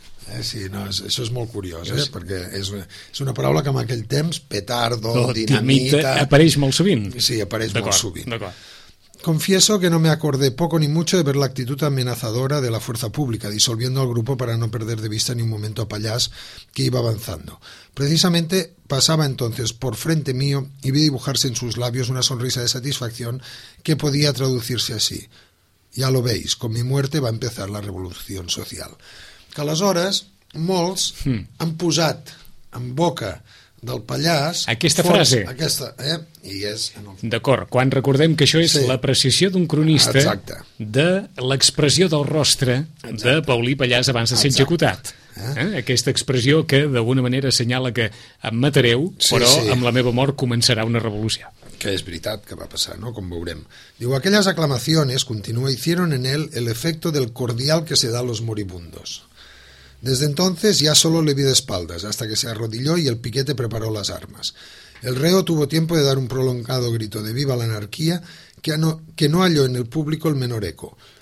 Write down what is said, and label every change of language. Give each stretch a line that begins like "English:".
Catalan: Això és molt curiós, perquè és una paraula que en aquell temps, petardo, dinamita... Apareix molt sovint. Sí, apareix molt sovint.
Spanish: Confieso que no me acordé poco ni mucho de ver la actitud amenazadora de la fuerza pública, disolviendo al grupo para no perder de vista ni un momento a Pallás, que iba avanzando. Precisamente pasaba entonces por frente mío y vi dibujarse en sus labios una sonrisa de satisfacción que podía traducirse así. Ya lo veis, con mi muerte va a empezar la revolución social.
Catalan: Que aleshores, molts han posat en boca del Pallàs... Aquesta fons, frase. Aquesta, i és... D'acord, quan recordem que això és la precisió d'un cronista de l'expressió del rostre de Paulí Pallàs abans de ser executat. Aquesta expressió que d'alguna manera assenyala que em matareu, amb la meva mort començarà una revolució. Que és veritat que va passar, no? Com veurem. Diu, aquelles
Spanish: aclamaciones,
Catalan: continua,
Spanish: hicieron en él el efecto del cordial que se da a los moribundos. Desde entonces ya solo le vi de espaldas, hasta que se arrodilló y el piquete preparó las armas. El reo tuvo tiempo de dar un prolongado grito de viva la anarquía que no halló en el público el menor eco.